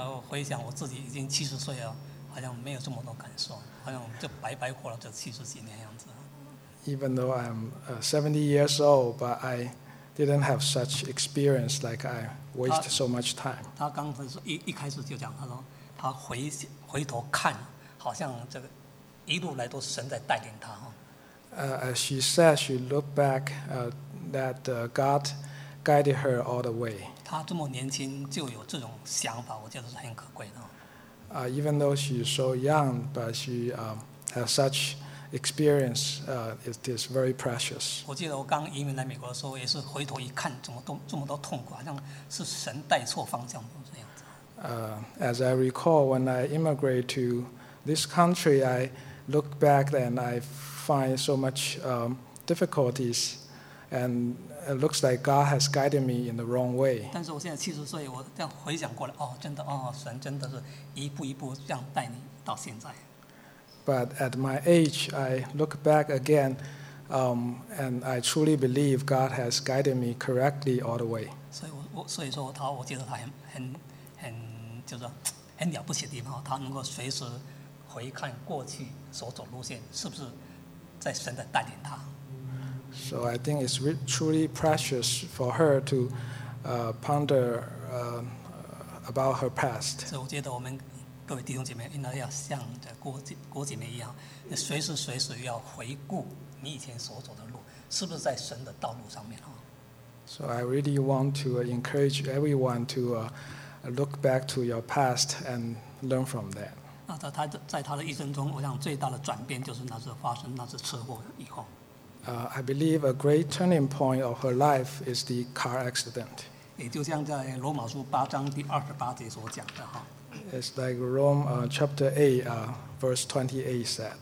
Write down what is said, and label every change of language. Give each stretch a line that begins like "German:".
Chinese: 回想我自己已经七十岁了，好像没有这么多感受，好像就白白活了这七十几年样子。
English: Even though I'm 70 years old, but I didn't have such experience like I waste so much time.
Chinese: 他刚才说一开始就讲，他说他回头看，好像这个一路来都神在带领他。
English: As she said, she looked back, that God guided her all the way.
Chinese: 她这么年轻就有这种想法，我觉得是很可贵的。
English: Even though she's so young, but she has such experience, it is very precious.
Chinese: 我记得我刚移民来美国的时候，也是回头一看，这么多痛苦，好像是神带错方向这样子。
English: As I recall, when I immigrated to this country, I look back and I find so much difficulties, and it looks like God has guided me in the wrong way.
Chinese: 但是我现在七十岁，我这样回想过来，哦，真的，哦，神真的是一步一步这样带你到现在。
English: But at my age, I look back again, and I truly believe God has guided me correctly all the way.
Chinese: 所以说他，我觉得他很就是很了不起的地方，他能够随时回看过去所走路线是不是在神的带领他。
English: So I think it's truly precious for her to ponder about her past.
Chinese: 所以我觉得我们各位弟兄姐妹应该要像郭姐妹一样，随时随时要回顾你以前所走的路，是不是在神的道路上面。
English: So I really want to encourage everyone to look back to your past and learn from that.
Chinese: 那他在他的一生中，我想最大的转变就是那次发生那次车祸以后。
English: I believe a great turning point of her life is the car accident.
Chinese: 也就像在罗马书八章第二十八节所讲的哈。
English: It's like Rome chapter 8, verse 28 said.